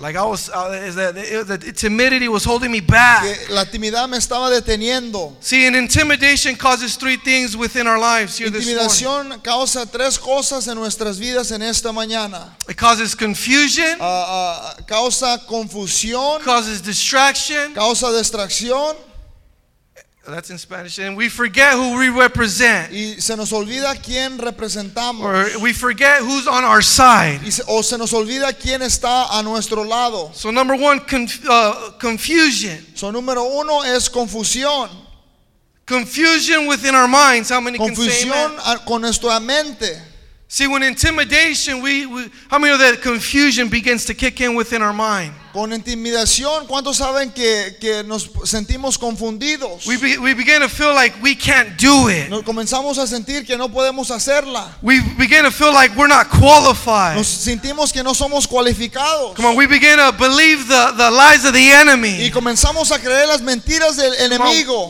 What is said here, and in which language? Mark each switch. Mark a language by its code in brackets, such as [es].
[en] Like I was, the timidity was holding me back. [es] Que la timidez me estaba deteniendo. [en] See, an intimidation causes three things within our lives here this morning. [es] Intimidación causa tres cosas en nuestras vidas en esta mañana. [en] It causes confusion. [es] Causa confusión. [en] Causes distraction. [es] Causa distracción. [en] That's in Spanish. And we forget who we represent. [es] Y se nos olvida quién representamos. [en] Or we forget who's on our side. [es] O se nos olvida quién está a nuestro lado. [en] So number one, confusion. [es] So número uno es confusión. [en] Confusion within our minds. How many [es] confusión [en] can say amen? [es] Con nuestra mente. [en] See, when intimidation, we how many know that confusion begins to kick in within our mind? [es] Con intimidación, ¿cuántos saben que nos sentimos confundidos? [en] We begin to feel like we can't do it. [es] Nos comenzamos a sentir que no podemos hacerla. [en] We begin to feel like we're not qualified. [es] Nos sentimos que no somos cualificados. [en] Come on, we begin to believe the lies of the enemy. [es] Y comenzamos a creer las mentiras del enemigo.